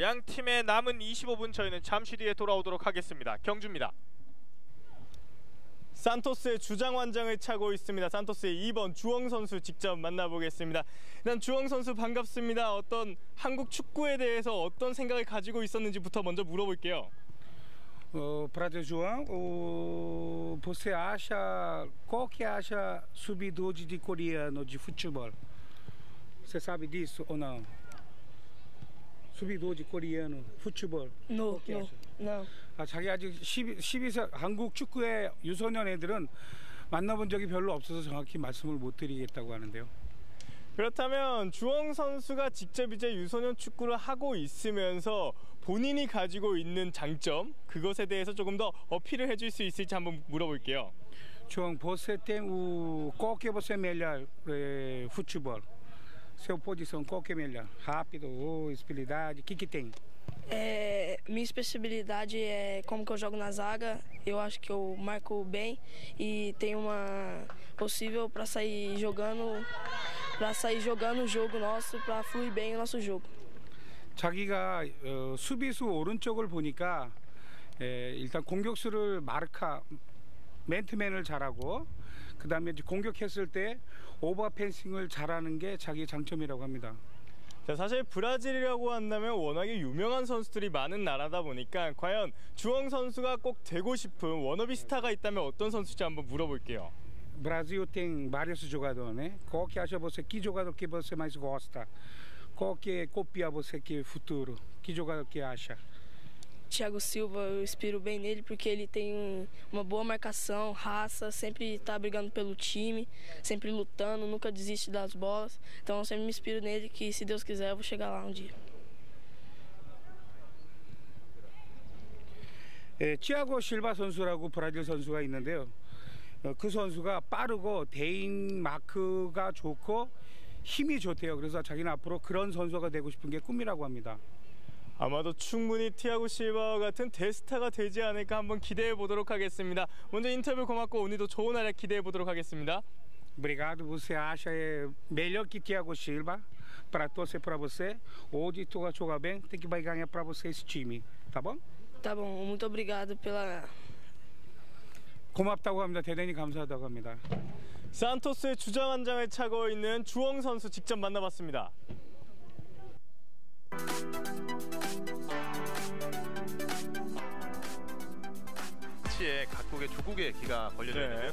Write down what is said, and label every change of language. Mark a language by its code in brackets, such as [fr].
[ko] 양 팀의 남은 25분 저희는 잠시 뒤에 돌아오도록 하겠습니다. 경주입니다. 산토스의 주장 완장을 차고 있습니다. 산토스의 2번 주홍 선수 직접 만나보겠습니다. 일단 주홍 선수 반갑습니다. 어떤 한국 축구에 대해서 어떤 생각을 가지고 있었는지부터 먼저 물어볼게요. [pt] Prazer, João. Você acha, qual que acha subidor de coreano de futebol? Você sabe disso ou não? Subidor de coreano, futebol. Não, não, não. [ko] 아, 자기 아직 12세 한국 축구의 유소년 애들은 만나본 적이 별로 없어서 정확히 말씀을 못 드리겠다고 하는데요. 그렇다면 주홍 선수가 직접 이제 유소년 축구를 하고 있으면서 본인이 가지고 있는 장점, 그것에 대해서 조금 더 어필을 해줄 수 있을지 한번 물어볼게요. [pt] 주홍, você tem o qual que você melhor futebol? Seu posição qual que é melhor? Rápido, habilidade, que tem? Minha especialidade é como que eu jogo na zaga. Eu acho que eu marco bem e tenho uma possível para sair jogando o jogo nosso, para fluir bem o nosso jogo. [ko] 자기가 수비수 오른쪽을 보니까 일단 공격수를 마르카 맨투맨을 잘하고 그 다음에 공격했을 때 오버펜싱을 잘하는 게 자기의 장점이라고 합니다. 자, 사실 브라질이라고 한다면 워낙에 유명한 선수들이 많은 나라다 보니까 과연 주홍 선수가 꼭 되고 싶은 워너비 스타가 있다면 어떤 선수인지 한번 물어볼게요. [pt] Brasil tem vários jogadores, né? Qual que acha você que jogador que você mais gosta? Qual que copia você que futuro? Que jogador que acha? Thiago Silva, eu inspiro bem nele porque ele tem uma boa marcação, raça, sempre está brigando pelo time, sempre lutando, nunca desiste das bolas. Então eu sempre me inspiro nele que se Deus quiser eu vou chegar lá um dia. [ko] 예, 티아고 실바 선수라고 브라질 선수가 있는데요. 어, 그 선수가 빠르고 대인 마크가 좋고 힘이 좋대요. 그래서 자기는 앞으로 그런 선수가 되고 싶은 게 꿈이라고 합니다. 아마도 충분히 티아고 실바와 같은 대스타가 되지 않을까 한번 기대해 보도록 하겠습니다. 먼저 인터뷰 고맙고 오늘도 좋은 하루 기대해 보도록 하겠습니다. [pt] Obrigado você acha é melhor que Thiago Silva para torcer para você. Hoje tu vai jogar bem, tem que vai ganhar para você esse time, tá bom? Tá bom. Muito obrigado pela [ko] 고맙다고 합니다. 대단히 감사하다고 합니다. 산토스의 주장 한 장을 차고 있는 주홍 선수 직접 만나봤습니다. 치에 각국의 조국의 기가 걸려져 있는 네.